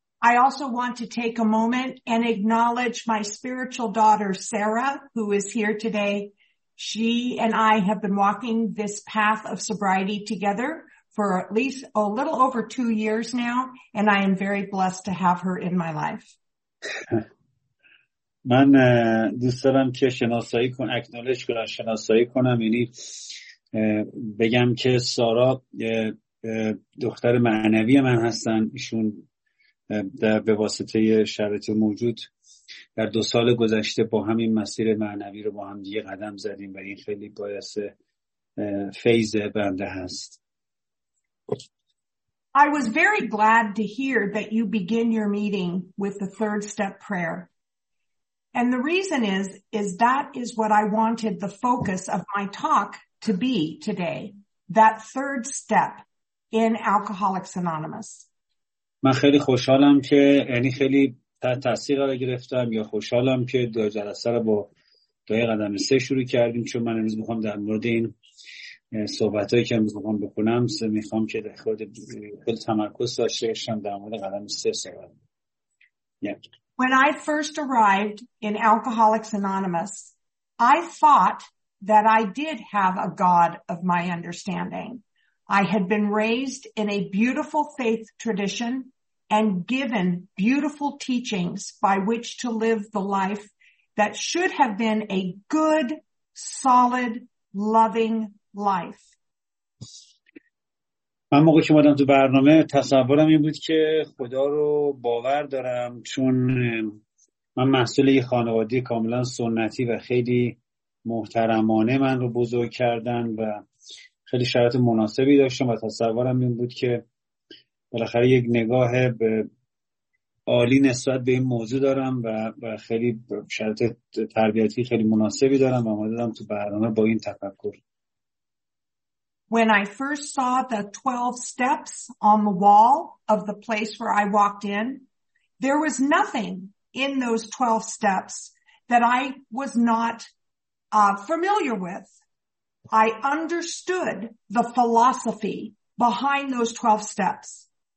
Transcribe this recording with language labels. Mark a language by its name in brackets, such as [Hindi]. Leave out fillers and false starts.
[English] I also want to take a moment and acknowledge my spiritual daughter, Sarah, who is here today. She and I have been walking this path of sobriety together for at least a little over 2 years now, and I am very blessed to have her in my life. [Persian] من دوست دارم که شناسایی کنم، اکنالج کنم، شناسایی کنم، یعنی بگم که سارا دختر معنوی من هستن. ایشون در به واسطه شرایط موجود در 2 سال گذشته با همین مسیر معنوی رو با هم دیگه قدم زدیم و این خیلی باعث فیض بنده هست. [English] I was very glad to hear that you begin your meeting with the third step prayer. And the reason is that is what I wanted the focus of my talk to be today. That third step in Alcoholics Anonymous. [Persian] من خیلی خوشحالم که یعنی خیلی تاثیر رو گرفتم یا خوشحالم که دو جلسه رو با دو قدم سه شروع کردیم، چون من امروز میخوام در مورد این صحبتایی که امروز میخوام بکنم میخوام که در خود خیلی تمرکز داشته باشم در مورد قدم 3 سوال. [English] When I first arrived in Alcoholics Anonymous, I thought that I did have a God of my understanding. I had been raised in a beautiful faith tradition and given beautiful teachings by which to live the life that should have been a good, solid, loving life. [Persian] من موقعی که اومدم تو برنامه تصورم این بود که خدا رو باور دارم چون من محصول یه خانواده کاملا سنتی و خیلی محترمانه من رو بزرگ کردن و خیلی شرایط مناسبی داشتم و تصورم این بود که بالاخره یک نگاه به عالی نسبت به این موضوع دارم و خیلی شرایط تربیتی خیلی مناسبی دارم و اومدم تو برنامه با این تفکر. [English] When I first saw the 12 steps on the wall of the place where I walked in, there was nothing in those 12 steps that I was not familiar with. I understood the philosophy behind those 12 steps.